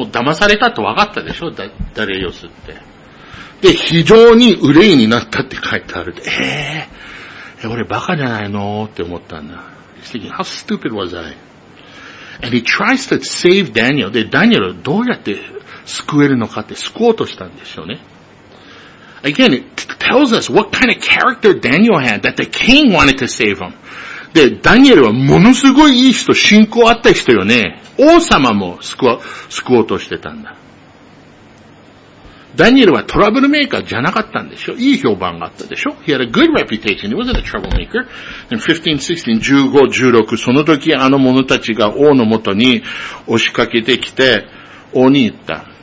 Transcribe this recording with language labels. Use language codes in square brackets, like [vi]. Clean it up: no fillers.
[ja] もう騙されたと分かったでしょ、ダリアスって。で、非常に憂いになったって書いてある。俺バカじゃないのって思ったんだ。 [en] He's thinking, how stupid was I? And he tries to save Daniel. [ja] で、ダニエルどうやって救えるのかって救おうとしたんでしょうね。 [en] Again, it tells us what kind of character Daniel had that the king wanted to save him. [ja] で、ダニエルはものすごいいい人、信仰あった人よね。王様も救おうとしてたんだ。ダニエルはトラブルメーカーじゃなかったんでしょ。いい評判があったでしょ。 [en] He had a good reputation. He wasn't a troublemaker. [ja] In 15:16, 15:16, その時あの者たちが王のもとに押しかけてきて、王に言った。